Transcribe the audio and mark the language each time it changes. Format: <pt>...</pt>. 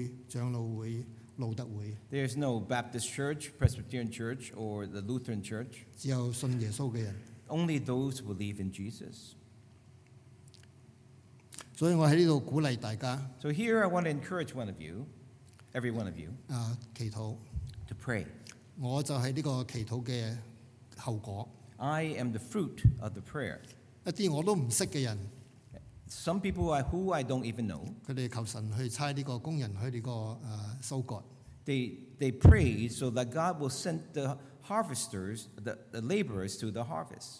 <zh>并没有浸信会、长老会、路德会。</zh> <en>There is no Baptist Church, Presbyterian Church, or the Lutheran Church.</en> <zh>只有信耶稣的人。</zh> <en>Only those who believe in Jesus.</en> <zh>所以我在这里鼓励大家,</zh> <en>so here I want to encourage one of you, every one of you,</en> <zh>祈祷,</zh> <en>to pray.</en> <zh>我就是这个祈祷的后果,</zh> <en>I am the fruit of the prayer.</en> <zh>一些我都不认识的人,</zh> <en>some people who I don't even know,</en> <zh>他们求神去差这个工人去这个, God.</zh> <en>They pray so that God will send the harvesters, the laborers to the harvest.</en>